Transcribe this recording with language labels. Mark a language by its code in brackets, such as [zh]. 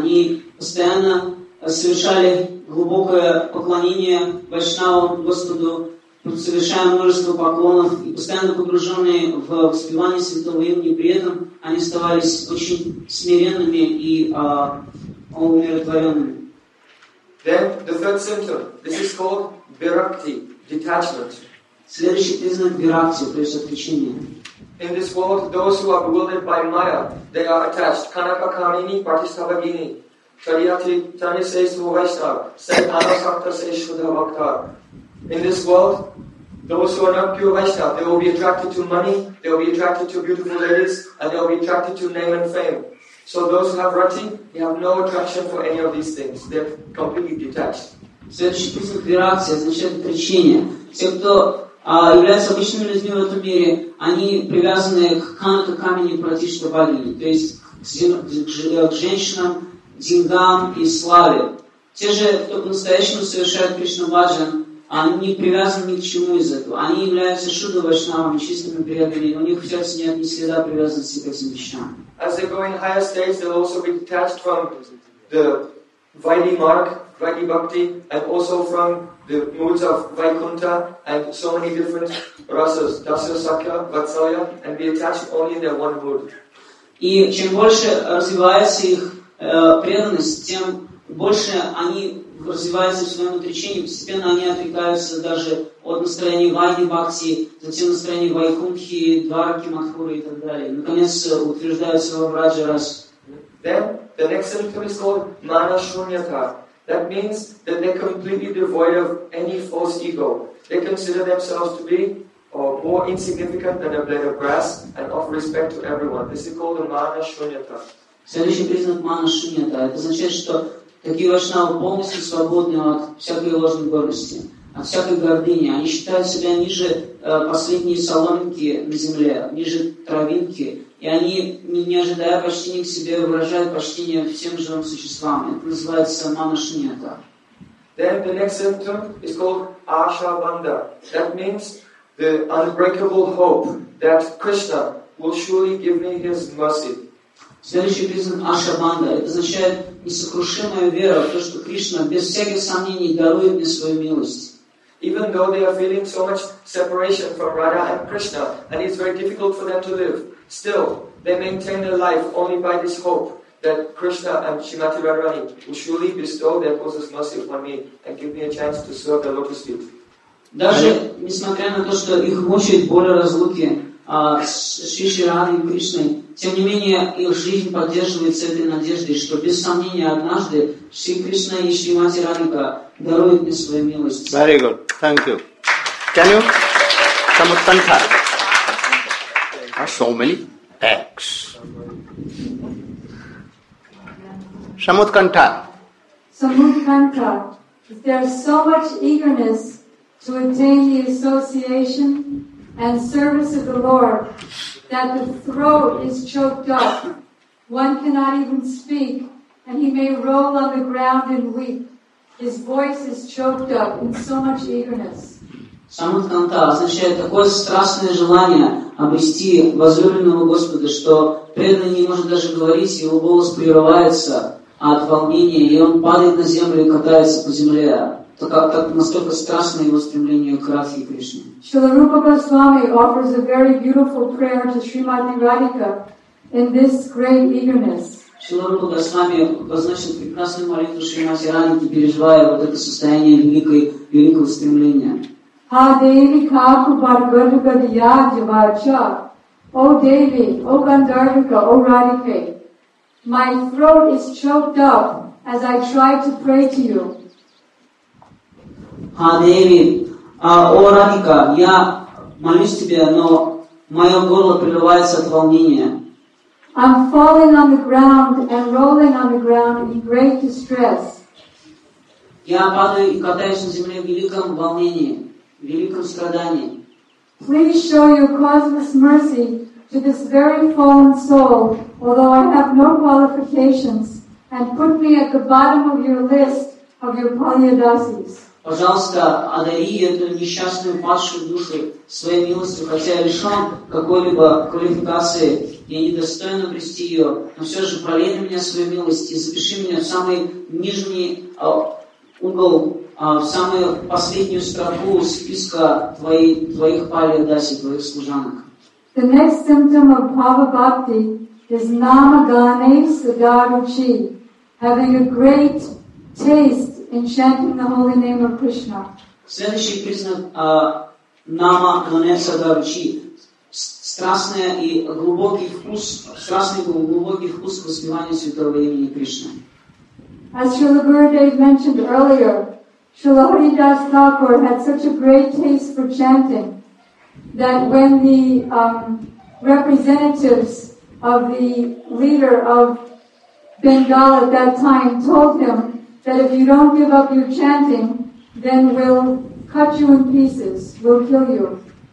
[ru] Они постоянно совершали глубокое поклонение Вайшнаву Господу, совершая множество поклонов и постоянно погруженные в воспевание святого имени, при этом они оставались очень смиренными и умиротворенными. [en] Then the third symptom. This is called virakti, detachment. [ru] Следующий признак виракти, то есть отвлечение. [en] In this world, those who are bewildered by Maya, they are attached. Kanaka Kamini Pratisthavagini. Chariyati Tani says to Vaishnav, Sai Anasakta says Shuddha Bhaktar. In this world, those who are not pure Vaishnav, they will be attracted to money, they will be attracted to beautiful ladies, and they will be attracted to name and fame. So those who have Rati, they have no attraction for any of these things. They're completely detached. [ru] Следующий признак виракти означает отвлечение. Те, кто являются обычными людьми в этом мире, они привязаны к канаке камени Пратишта Багини, то есть к женщинам, деньгам и славе. Те же, кто по-настоящему совершает Кришна-баджан, они не привязаны ни к чему из этого. Они являются шудо-вайшнавами, чистыми преданными, у них в сердце нет ни следа привязанности к этим вещам. [en] As they go in higher states, they'll also be detached from the Vaidhi Mark, Vaidhi Bhakti, and also from the moods of Vaikuntha and so many different rasas, Dasya, Sakya, Vatsalya, and be attached only in their one mood. [ru] И чем больше развивается их преданность, тем больше они развиваются в своем отречении, постепенно они отрекаются даже от настроения Вайди Бхакти, затем настроения Вайкунхи, Двараки, Матхуры и так далее. Наконец утверждают своего Враджа Расу. [en] Then the next symptom is called Mana Shunyata. That means that they're completely devoid of any false ego. They consider themselves to be more insignificant than a blade of grass and offer respect to everyone. This is called the Mana Shunyata. [ru] Следующий признак мана шуньята. Это означает, что такие вайшнавы полностью свободны от всякой ложной гордости, от всякой гордыни. Они считают себя ниже последней соломинки на земле, ниже травинки. И они, не ожидая почтения к себе, выражают почтение всем живым существам. Это называется мана шуньята. [en] Then the next symptom is called ашабанда. That means the unbreakable hope that Krishna will surely give me his mercy. [ru] Следующий признак ашабанда. Это означает несокрушимая вера в то, что Кришна без всяких сомнений дарует мне свою милость. [en] Even though they are feeling so much separation from Radha and Krishna, and it's very difficult for them to live, still, they maintain their life only by this hope that Krishna and Srimati Radharani will surely bestow their closest mercy upon me and give me a chance to serve the lotus feet. [ru] Даже несмотря на то, что их мучает боль разлуки с Шри и Кришной, тем не менее, их жизнь поддерживается этой надеждой, что без сомнения однажды Шри Кришна и Шри Мати Радхика даруют мне свою милость. [en] Very good. Thank you. Can you? Samutantha. So many. X. Samudkanta. Samudkanta, if there is so much eagerness to attain the association and service of the Lord that the throat is choked up, one cannot even speak, and he may roll on the ground and weep. His voice is choked up in so much eagerness. [ru] Самудканта означает такое страстное желание обрести возлюбленного Господа, что преданный не может даже говорить, его голос прерывается от волнения, и он падает на землю и катается по земле. Так настолько страстно его стремление к Радхе Кришне. [en] Шрила Рупа Госвами offers a very beautiful prayer to Шримати Радхика in this great eagerness. [ru] Шрила Рупа Госвами возносит прекрасную молитву Шримати Радхике, переживая вот это состояние великого стремления. Ha Devi Kapu Bhargarga Diya Divacha. [en] O Devi, O Gandharvika, O Radhike. My throat is choked up as I try to pray to you. [ru] Ha Devi, O Radhika, я молюсь тебе, но мое горло прерывается от волнения. [en] I'm falling on the ground and rolling on the ground in great distress. [ru] Я падаю и катаюсь на земле в великом волнении. [en] Please show your causeless mercy to this very fallen soul, although I have no qualifications, and put me at the bottom of your list of your palyadasis. [ru] Пожалуйста, одари эту несчастную падшую душу своей милостью, хотя я лишен какой-либо квалификации, я недостоин обрести ее, но все же пролей на меня свою милость и запиши меня в самый нижний угол. В самую последнюю строку списка твоих палиадаси, твоих служанок. [en] The next symptom of Bhava-bhakti is Namagane Sadaruchi, having a great taste in chanting the holy name of Krishna. [ru] Следующий признак Namagane Sadaruchi – страстный и глубокий вкус воспевания святого имени Кришны. [en] As Srila Gurudev mentioned earlier, Srila Haridas Thakur had such a great taste for chanting that when the representatives of the leader of Bengal at that time told him that if you don't give up your chanting, then we'll cut you in pieces, we'll kill you.